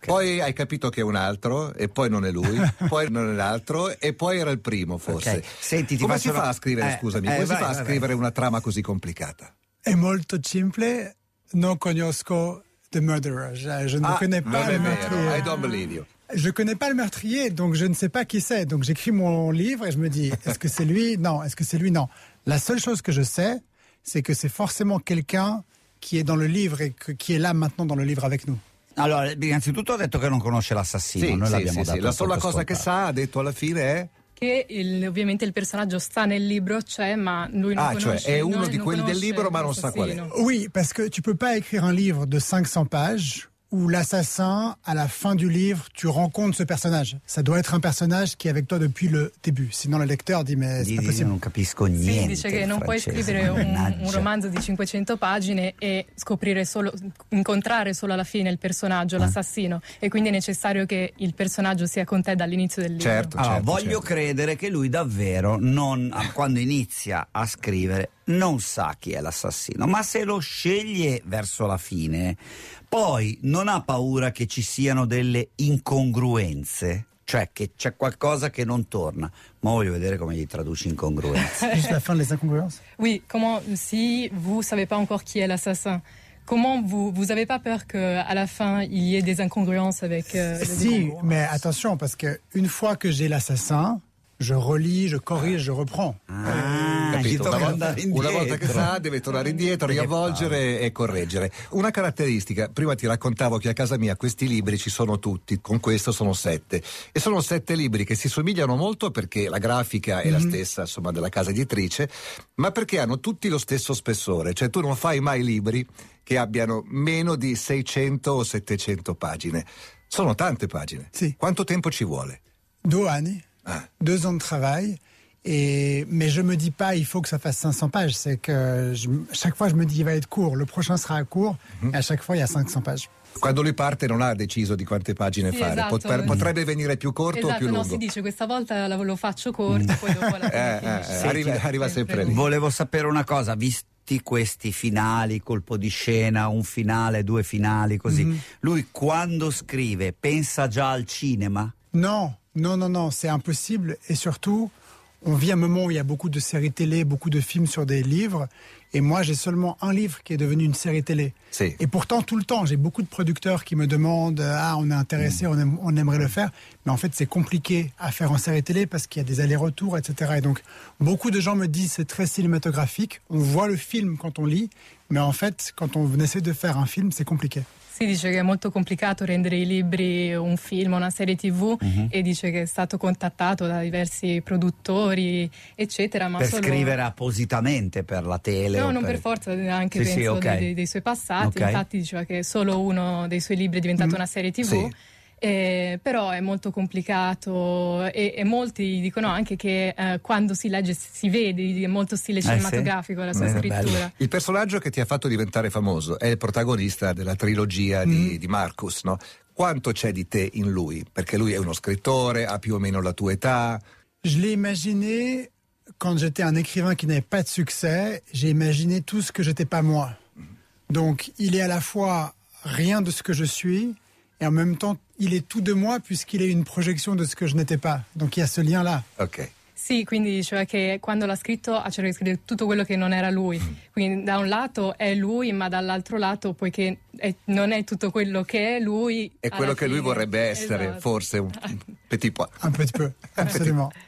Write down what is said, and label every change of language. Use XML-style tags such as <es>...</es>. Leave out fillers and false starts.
<it>Poi hai capito che è un altro, e poi non è lui, poi non è l'altro, e poi era il primo, forse. Okay. Senti, come si fa a scrivere, scusami, come si fa a scrivere una trama così complicata? È molto semplice, non conosco</it> <en>The Murderer,</en> <fr>je ne connais pas le meurtrier.</fr> <en>I don't believe you.</en> <fr>Je ne connais pas le meurtrier, donc je ne sais pas qui c'est. Donc j'écris mon livre et je me dis, est-ce que c'est lui? Non, est-ce que c'est lui? Non. La seule chose que je sais, c'est que c'est forcément quelqu'un qui est dans le livre et qui est là maintenant dans le livre avec nous.</fr> <it>Allora, innanzitutto ha detto che non conosce l'assassino. Sì, noi sì, l'abbiamo sì, dato sì. La sola cosa che sa, ha detto alla fine, è che ovviamente il personaggio sta nel libro, cioè, ma lui non conosce. Ah, cioè, è uno di quelli del libro, ma non sa qual è.</it> <fr>Oui, parce que tu peux pas écrire un livre de 500 pages où l'assassin, à la fin du livre, tu rencontres ce personnage. Ça doit être un personnage qui est avec toi depuis le début. Sinon, le lecteur dit, mais c'est pas possible.</fr> <it>Non capisco niente. Sì, dice che francese. Non puoi scrivere un romanzo di 500 pagine e scoprire solo, incontrare solo alla fine il personaggio, l'assassino. E quindi è necessario che il personaggio sia con te dall'inizio del libro. Certo, allora, certo. Voglio certo. Credere che lui davvero, non, quando inizia a scrivere, non sa chi è l'assassino, ma se lo sceglie verso la fine, poi non ha paura che ci siano delle incongruenze, cioè che c'è qualcosa che non torna. Ma voglio vedere come gli traduci incongruenze.</it> <fr>Juste la fin des incongruences. Oui, comment si vous savez pas encore qui est l'assassin? Comment vous avez pas peur que à la fin il y ait des incongruences avec Si, mais attention parce que une fois que j'ai l'assassin, je relis, je corrige, je reprends.</fr> <it>Una volta che sa, deve tornare indietro, riavvolgere e correggere. Una caratteristica, prima ti raccontavo che a casa mia questi libri ci sono tutti, con questo sono sette. E sono sette libri che si somigliano molto perché la grafica è la stessa, insomma, della casa editrice, ma perché hanno tutti lo stesso spessore. Cioè tu non fai mai libri che abbiano meno di 600 o 700 pagine. Sono tante pagine. Sì. Quanto tempo ci vuole? Due anni. Ah. Due anni di lavoro.</it> <fr>Mais je me dis pas, il faut que ça fasse 500 pages. C'est que chaque fois, je me dis, il va être court. Le prochain sera court. Mm-hmm. Et à chaque fois, il y a 500 pages.</fr> <it>Quando lui parte non ha deciso di quante pagine sì, fare, esatto. Potrebbe venire più corto esatto, o più lungo? No, si dice questa volta lo faccio corto, poi dopo la sì, arriva sempre lì. Volevo sapere una cosa, visti questi finali, colpo di scena, un finale, due finali, così, lui quando scrive pensa già al cinema?</it> <fr>No, c'est impossible e surtout on vit un moment où il y a beaucoup de séries télé, beaucoup de films sur des livres. Et moi, j'ai seulement un livre qui est devenu une série télé.</fr> <it>Si.</it> <fr>Et pourtant, tout le temps, j'ai beaucoup de producteurs qui me demandent « Ah, on est intéressé, on aimerait le faire. » Mais en fait, c'est compliqué à faire en série télé parce qu'il y a des allers-retours, etc. Et donc, beaucoup de gens me disent « C'est très cinématographique. » On voit le film quand on lit. Mais en fait, quand on essaie de faire un film, c'est compliqué.</fr> <it>Si dice che è molto complicato rendere i libri un film, una serie TV, e dice che è stato contattato da diversi produttori, eccetera. Ma per solo... scrivere appositamente per la tele? No, o non per forza, anche sì, penso sì, okay. dei suoi passati. Okay. Infatti diceva che solo uno dei suoi libri è diventato una serie TV. Sì. Però è molto complicato e molti dicono anche che quando si legge si vede, è molto stile cinematografico la sua scrittura. Bello. Il personaggio che ti ha fatto diventare famoso è il protagonista della trilogia di Marcus, no? Quanto c'è di te in lui? Perché lui è uno scrittore, ha più o meno la tua età.</it> <fr>Je l'ai imaginé quand j'étais un écrivain qui n'avait pas de succès, j'ai imaginé tout ce que j'étais pas moi. Donc il est à la fois rien de ce que je suis et en même temps il est tout de moi puisqu'il est une projection de ce que je n'étais pas. Donc il y a ce lien-là.</fr> <it>Ok. Sì, quindi diceva che quando l'ha scritto ha cercato di scrivere tutto quello che non era lui. Quindi da un lato è lui, ma dall'altro lato poiché non è tutto quello che è lui... È quello che lui vorrebbe essere, esatto.</it> <fr>Forse un petit peu. Un petit peu, assolutamente.</fr>